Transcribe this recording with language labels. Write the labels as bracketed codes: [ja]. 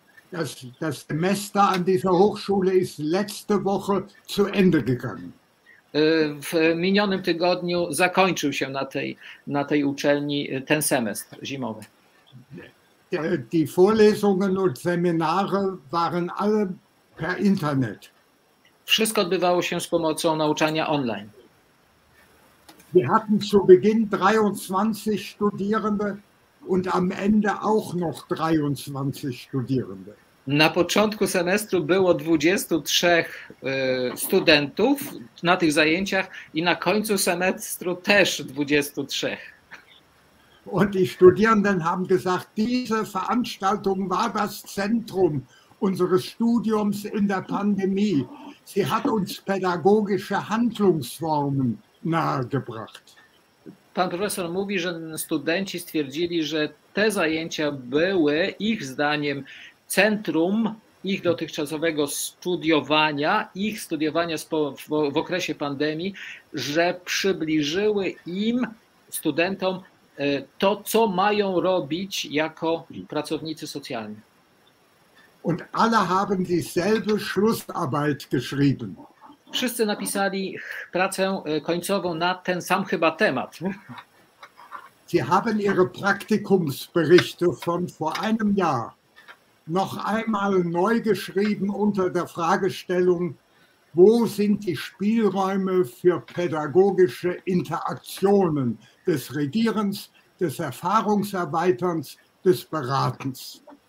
[de] Das Semester an dieser Hochschule ist letzte Woche zu Ende gegangen. [pl] W minionym tygodniu zakończył się na tej uczelni ten semestr zimowy. [de] Die Vorlesungen und Seminare waren alle per Internet. [pl] Wszystko odbywało się z pomocą nauczania online. [de] Wir hatten zu Beginn 23 Studierende und am Ende auch noch 23 Studierende. [pl] Na początku semestru było 23 studentów na tych zajęciach i na końcu semestru też 23. [de] Und die Studierenden haben gesagt, diese Veranstaltung war das Zentrum unseres Studiums in der Pandemie. Sie hat uns pädagogische Handlungsformen nahegebracht. [pl] Pan profesor mówi, że studenci stwierdzili, że te zajęcia były ich zdaniem centrum ich dotychczasowego studiowania, ich studiowania w okresie pandemii, że przybliżyły im, studentom, to, co mają robić jako pracownicy socjalni. [de] Und alle haben dieselbe Schlussarbeit geschrieben. [pl] Wszyscy napisali pracę końcową na ten sam chyba temat. [de] Sie haben ihre Praktikumsberichte von vor einem Jahr noch einmal neu geschrieben unter der Fragestellung, wo sind die Spielräume für pädagogische Interaktionen des Regierens, des Erfahrungserweiterns, des Beratens.